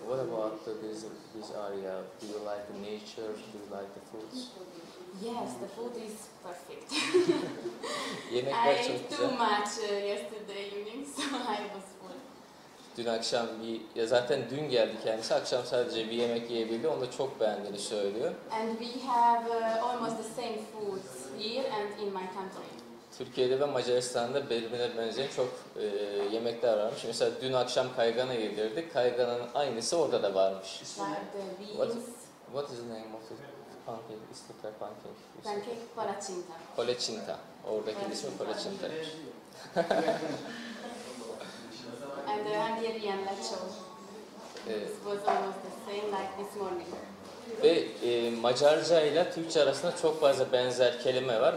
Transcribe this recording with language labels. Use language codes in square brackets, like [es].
[en] What about this area? Do you like the nature? Do you like the food? Yes, the food is perfect. [tr] Yemekler çok [en] güzel. I ate too much yesterday evening, so I was full. [tr] Dün akşam, ya zaten dün geldi kendisi, akşam sadece bir yemek yiyebildi, onu da çok beğendiğini söylüyor. [en] And we have almost the same foods here and in my country. [tr] Türkiye'de ve Macaristan'da birbirine benzeyen çok yemekler varmış. Mesela dün akşam kaygana yedirdik. Kayganın aynısı orada da varmış. [en] What is the name of the pancake? Is the pancake? Pancake Polacinta. [tr] Polacinta. Oradaki ismi Polacinta. [en] And Hungarian lecho. It was almost the same like this morning. [tr] Ve Macarca ile Türkçe arasında çok fazla benzer kelime var.